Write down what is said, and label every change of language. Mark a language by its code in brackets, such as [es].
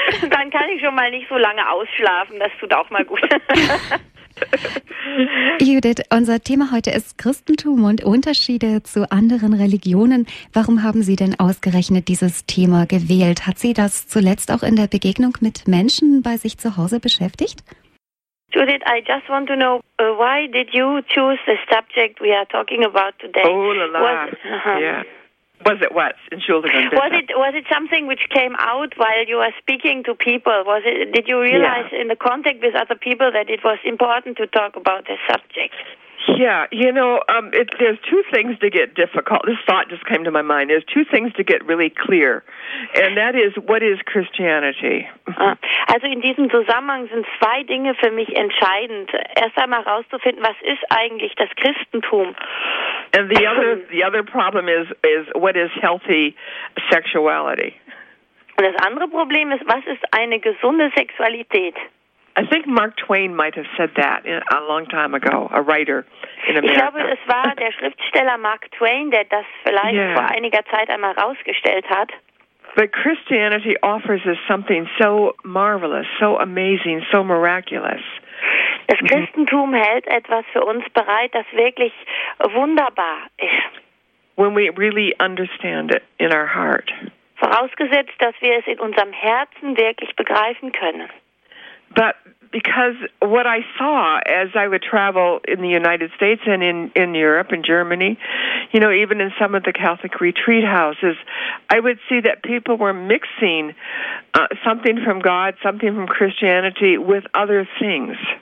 [de] Dann kann ich schon mal nicht so lange ausschlafen, das tut auch mal gut. Judith, unser Thema heute ist Christentum und Unterschiede zu anderen Religionen. Warum haben Sie denn ausgerechnet dieses Thema gewählt? Hat Sie das zuletzt auch in der Begegnung mit Menschen bei sich zu Hause beschäftigt? [en] Judith, I just want to know, why did you choose the subject we are talking about today? Oh, la la. Was it what? Was it something which came out while you were speaking to people? Did you realize in the contact with other people that it was important to talk about this subject? Yeah, you know, there's two things to get difficult. This thought just came to my mind. There's two things to get really clear, and that is, what is Christianity? [de] Also in diesem Zusammenhang sind zwei Dinge für mich entscheidend. Erst einmal herauszufinden, was ist eigentlich das Christentum? [en] And the other problem is what is healthy sexuality? [de] Und das andere Problem ist, was ist eine gesunde Sexualität? [en] I think Mark Twain might have said that a long time ago, a writer in America. [de] Ich glaube, es war der Schriftsteller Mark Twain, der das vielleicht vor einiger Zeit einmal rausgestellt hat. [en] But Christianity offers us something so marvelous, so amazing, so miraculous. [de] Das Christentum hält etwas für uns bereit, das wirklich wunderbar ist. [en] When we really understand it in our heart. [de] Vorausgesetzt, dass wir es in unserem Herzen wirklich begreifen können. [en] But because what I saw as I would travel in the United States and in Europe and Germany, you know, even in some of the Catholic retreat houses, I would see that people were mixing something from God, something from Christianity with other things.